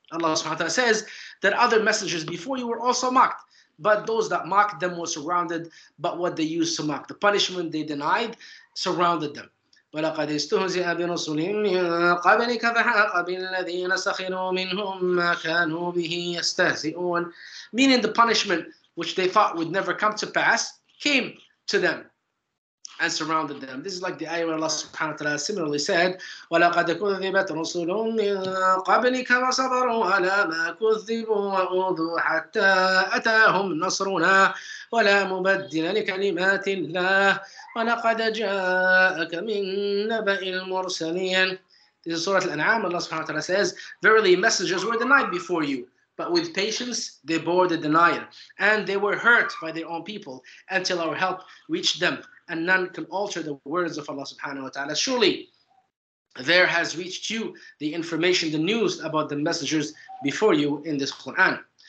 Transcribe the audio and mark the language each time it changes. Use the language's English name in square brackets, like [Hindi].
[English] Allah subhanahu wa ta'ala says that other messengers before you were also mocked, but those that mocked them were surrounded by what they used to mock. The punishment they denied surrounded them. [Arabic] وَلَقَدْ اِسْتُهْزِئَ بِرُسُلٍ مِّن قَبْلِكَ فَحَاقَ بِالَّذِينَ سَخِرُوا مِنْهُمْ مَا كَانُوا بِهِ يَسْتَهْزِئُونَ. [English] Meaning the punishment which they thought would never come to pass came to them and surrounded them. This is like the ayah where Allah subhanahu wa ta'ala similarly said, [Arabic] وَلَقَدْ كُذِّبَتْ رُسُلٌ مِّن قَبْلِكَ وَصَبَرُوا عَلَى مَا كُذِّبُوا وَأُوذُوا حَتَّى أَتَاهُمْ نَصْرُنَا وَلَا مُبَدِّلَ لِكَلِمَاتِ اللَّهِ وَلَقَدْ جَاءَكَ مِن نَبَإِ الْمُرْسَلِينَ. [English] This is Surah Al An'am. Allah subhanahu wa ta'ala says, verily messengers were denied before you, but with patience they bore the denial, and they were hurt by their own people until our help reached them. And none can alter the words of Allah subhanahu wa ta'ala. Surely there has reached you the information, the news about the messengers before you in this Quran.